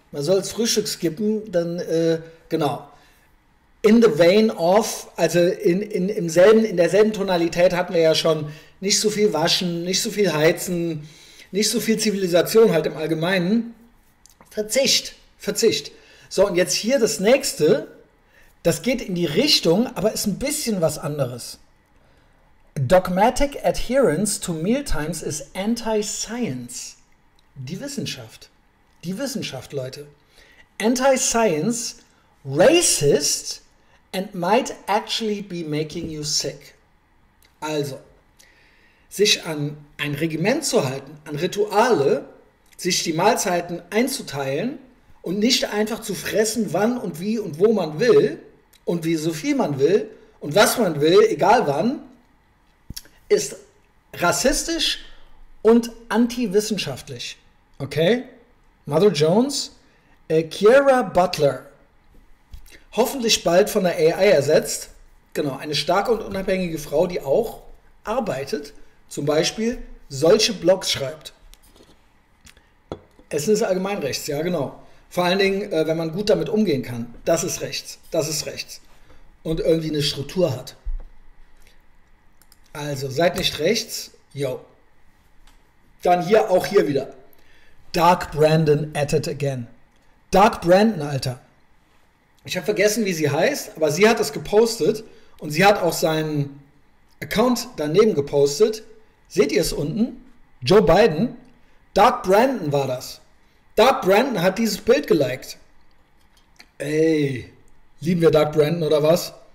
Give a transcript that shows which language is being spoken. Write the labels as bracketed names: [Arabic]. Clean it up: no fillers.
[German] Man soll das Frühstück skippen, dann genau. [English] In the vein of, [German] also im selben, in derselben Tonalität hatten wir ja schon nicht so viel waschen, nicht so viel heizen, nicht so viel Zivilisation halt im Allgemeinen. Verzicht. Verzicht. So, und jetzt hier das nächste. Das geht in die Richtung, aber ist ein bisschen was anderes. [English] Dogmatic adherence to mealtimes is anti-science. [German] Die Wissenschaft. Die Wissenschaft, Leute. [English] Anti-science, racist and might actually be making you sick. [German] Also, sich an ein Regiment zu halten, an Rituale, sich die Mahlzeiten einzuteilen, und nicht einfach zu fressen, wann und wie und wo man will und wie so viel man will und was man will, egal wann, ist rassistisch und antiwissenschaftlich. Okay? Mother Jones, Kiera Butler. Hoffentlich bald von der AI ersetzt. Genau, eine starke und unabhängige Frau, die auch arbeitet, zum Beispiel solche Blogs schreibt. Es ist Allgemeinrechts, ja, genau. Vor allen Dingen, wenn man gut damit umgehen kann, das ist rechts, das ist rechts. Und irgendwie eine Struktur hat. Also, seid nicht rechts, yo. Dann hier, auch hier wieder. [English] Dark Brandon at it again. [German] Dark Brandon, Alter. Ich habe vergessen, wie sie heißt, aber sie hat es gepostet und sie hat auch seinen Account daneben gepostet. Seht ihr es unten? Joe Biden. Dark Brandon war das. Doug Brandon hat dieses Bild geliked. Ey, lieben wir Doug Brandon oder was?